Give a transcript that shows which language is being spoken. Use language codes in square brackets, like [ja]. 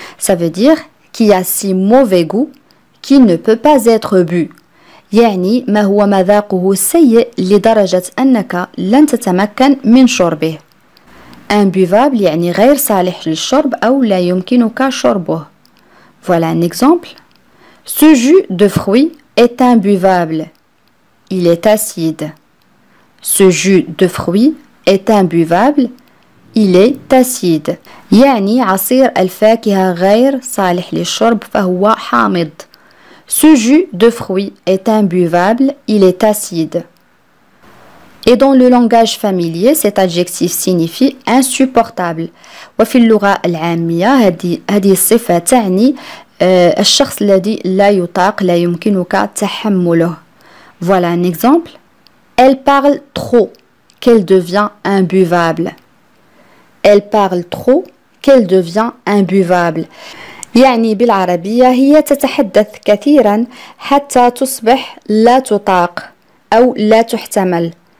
[fr] Ça veut dire qui a si mauvais goût qu'il ne peut pas être bu. [ar] يعني ما هو مذاقه سيء لدرجة أنك لن تتمكن من شربه. Imbuvable, يعني غير صالح للشرب أو لا يمكنك شربه. [fr] Voilà un exemple. Ce jus de fruits est imbuvable. Il est acide. Ce jus de fruits est imbuvable. Il est acide. [ar] يعني عصير الفاكهة غير صالح للشرب فهو حامض. [fr] Ce jus de fruits est imbuvable. Il est acide. Et dans le langage familier, cet adjectif signifie insupportable. [ar] وفي اللغة العامية هذه الصفة تعني الشخص الذي لا يطاق لا يمكنك تحمله. [fr] Voilà un exemple. Elle parle trop, qu'elle devient imbuvable. Elle parle trop, qu'elle devient imbuvable. [ar] يعني بالعربية هي تتحدث كثيرا حتى تصبح لا تطاق أو لا تحتمل.